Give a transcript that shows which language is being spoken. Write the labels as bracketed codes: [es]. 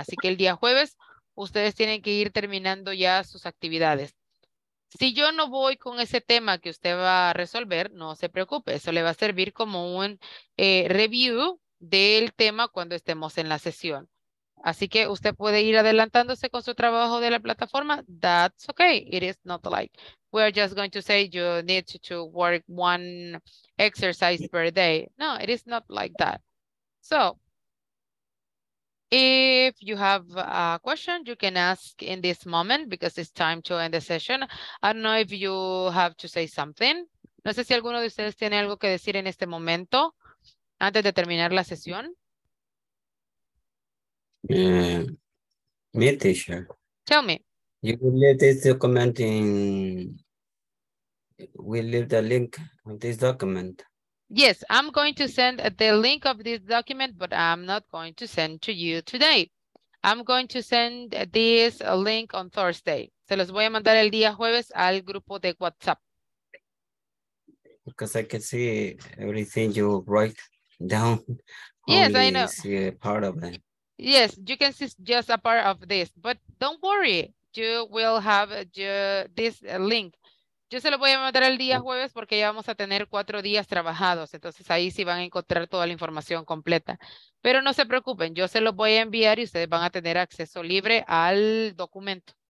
[es] Así que el día jueves ustedes tienen que ir terminando ya sus actividades. Si yo no voy con ese tema que usted va a resolver, no se preocupe. Eso le va a servir como un review del tema cuando estemos en la sesión. Así que usted puede ir adelantándose con su trabajo de la plataforma. [en] That's okay. It is not like we're just going to say you need to work one exercise per day. No, it is not like that. So, if you have a question, you can ask in this moment because it's time to end the session. I don't know if you have to say something. [es] No sé si alguno de ustedes tiene algo que decir en este momento antes de terminar la sesión. [en] Me, teacher. Tell me. You will leave this document in. We'll leave the link on this document. Yes, I'm going to send the link of this document, but I'm not going to send to you today. I'm going to send this link on Thursday. [es] Se los voy a mandar el día jueves al grupo de WhatsApp. [en] Because I can see everything you write down. Yes, I know. See a part of it. Yes, you can see just a part of this, but don't worry. You will have this link. [es] Yo se lo voy a mandar el día jueves porque ya vamos a tener 4 días trabajados. Entonces ahí sí van a encontrar toda la información completa. Pero no se preocupen, yo se lo voy a enviar y ustedes van a tener acceso libre al documento.